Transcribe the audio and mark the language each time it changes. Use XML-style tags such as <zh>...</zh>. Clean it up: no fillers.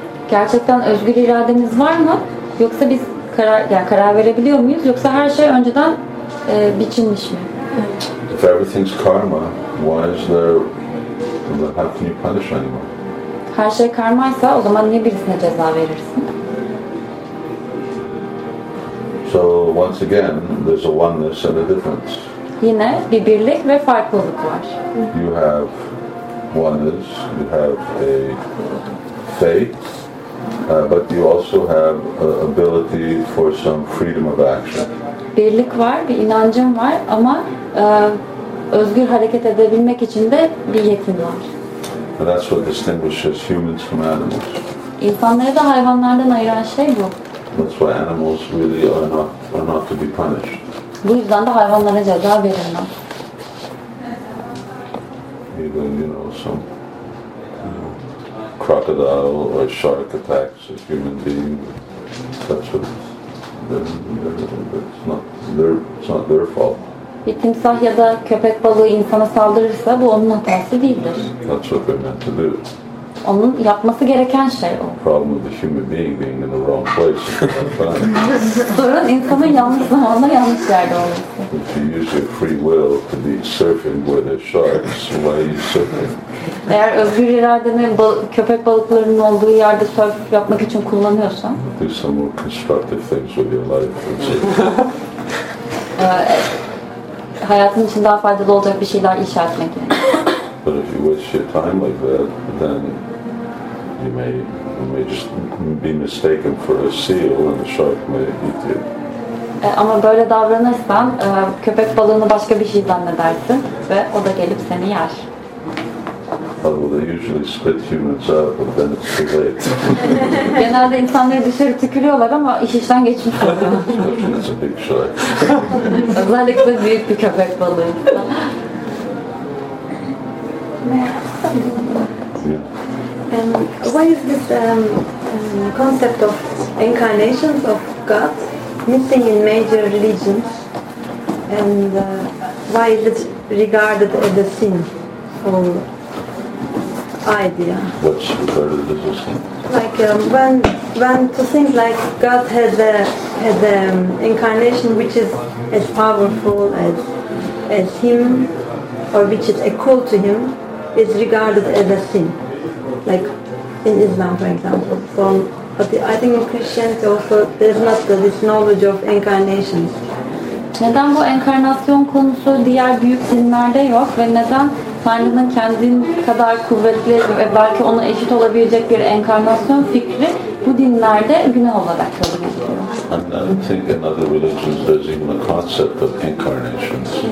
<tr>Gerçekten özgür irademiz var mı? Yoksa biz karar verebiliyor muyuz? Yoksa her şey önceden biçilmiş mi?</tr> <en>If everything's karma, why is there? How can you punish anyone?</en> <tr>Her şey karmaysa, o zaman niye birisine ceza verirsin?</tr> <en>So once again, there's a oneness and a difference.</en> <tr>Yine bir birlik ve farklılık var.</tr> <en>You have oneness, you have a faith, but you also have ability for some freedom of action.</en> <tr>Birlik var, bir inancım var, ama özgür hareket edebilmek için de bir yetim var.</tr> <en>And that's what distinguishes humans from animals.</en> <tr>İnsanları da hayvanlardan ayıran şey bu.</tr> <en>That's why animals really are not to be punished.</en> <tr>Bu yüzden de hayvanlara ceza verilmez.</tr> <en>Even crocodile or shark attacks a human being. It's not their fault.</en> <tr>Bir timsah ya da köpek balığı insana saldırırsa bu onun hatası değildir.</tr> <en>That's what they're meant to do.</en> <tr>Onun yapması gereken şey o.</tr> <en>Problem with the human being being in the wrong place.</en> <tr>Sorun insanın yanlış zamanda yanlış yerde olması.</tr> <en>If you use your free will to be surfing where there are sharks, why are you surfing?</en> <tr>Eğer özgür iradeni köpek balıklarının olduğu yerde surf yapmak için kullanıyorsan.</tr> <en>Do some more constructive things with your life.</en> <tr>Hayatın için daha faydalı olacak bir şeyler inşa etmek gerekiyor.</tr> <en>But if you waste your time like that, then you may just be mistaken for a seal and a shark may eat you.</en> <tr>Ama böyle davranırsan, köpek balığını başka bir şey zannedersin ve o da gelip seni yer.</tr> <en>Although they usually spit humans out, but then it's too late.</en> <tr>Genelde insanları dışarı tükürüyorlar ama iş işten geçmiş oluyor.</tr> <en>It's a big shark.</en> <tr>Özellikle büyük bir köpek balığı.</tr> <en>Why is this concept of incarnations of God missing in major religions, and why is it regarded as a sin or idea? What's regarded as a sin? Like when to think like God has an incarnation which is as powerful as Him, or which is equal to Him, is regarded as a sin, like in Islam, for example. So, but I think in Christianity also there's not this knowledge of incarnations.</en> <tr>Neden bu enkarnasyon konusu diğer büyük dinlerde yok ve neden Tanrı'nın kendin kadar kuvvetli ve belki ona eşit olabilecek bir enkarnasyon fikri bu dinlerde günah olarak kabul ediliyor.</tr> <en>I think in other religions there's even a concept of incarnations.</en>